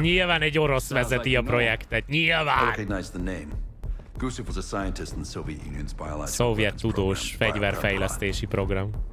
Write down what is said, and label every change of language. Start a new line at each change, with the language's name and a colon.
Hungarian: Nyilván egy orosz vezeti a projektet. Nyilván!
English: I recognize the name. Gusev was a scientist in the Soviet Union's biological
Hungarian: Soviet tudós fegyverfejlesztési program.